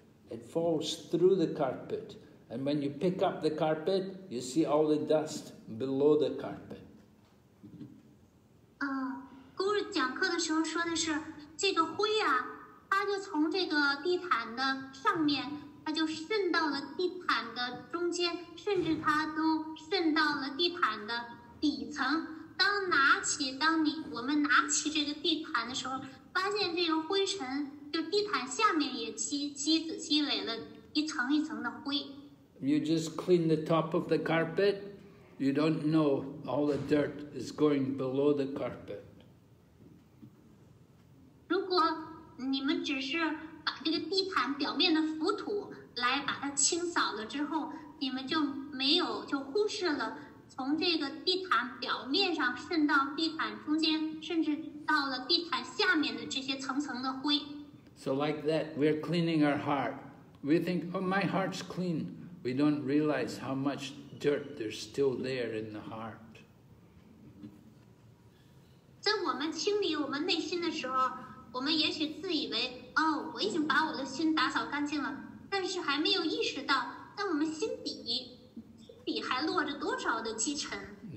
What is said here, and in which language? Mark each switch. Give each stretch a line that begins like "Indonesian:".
English: It falls through the carpet. And when you pick up the carpet, you see all the dust below the carpet.
Chinese: Guru 讲课的时候说的是，这个灰啊，它就从这个地毯的上面，它就渗到了地毯的中间，甚至它都渗到了地毯的底层。当我们拿起这个地毯的时候，发现这个灰尘，就地毯下面也积累了一层一层的灰。
English: You just clean the top of the carpet, you don't know all the dirt is going below the carpet.
Chinese: 如果你们只是把这个地毯表面的浮土来把它清扫了之后，你们就忽视了从这个地毯表面上渗到地毯中间，甚至到了地毯下面的这些层层的灰。
English: So like that, we're cleaning our heart. We think, oh, my heart's clean. We don't realize how much dirt there's still there in the heart.
Chinese: 在我们清理我们内心的时候，我们也许自以为，哦，我已经把我的心打扫干净了，但是还没有意识到，在我们心底还落着多少的积尘。